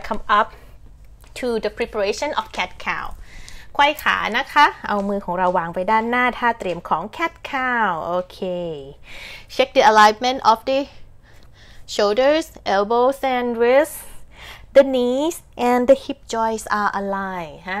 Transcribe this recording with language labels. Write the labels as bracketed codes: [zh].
[en] Come up to the preparation of cat cow. [th] ไขว้ขานะคะเอามือของเราวางไปด้านหน้าท่าเตรียมของ cat cow. [en] Okay. Check the alignment of the shoulders, elbows, and wrists. The knees and the hip joints are aligned.